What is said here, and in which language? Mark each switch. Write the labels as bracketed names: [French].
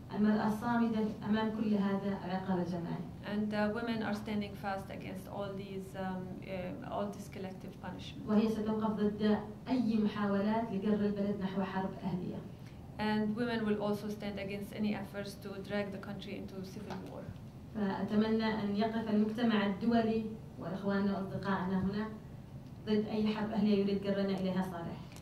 [Arabic] المرأة الصامدة أمام كل هذا العقاب الجماعي. [English] And women are standing fast against all these all this collective punishment. [Arabic] وهي ستوقف ضد أي محاولات لجر البلد نحو حرب أهلية. [English] And women will also stand against any efforts to drag the country into civil war. [Arabic] فأتمنى أن يقف المجتمع الدولي وإخواننا وأصدقائنا هنا ضد أي حرب أهلية يريد جرنا إليها صالح.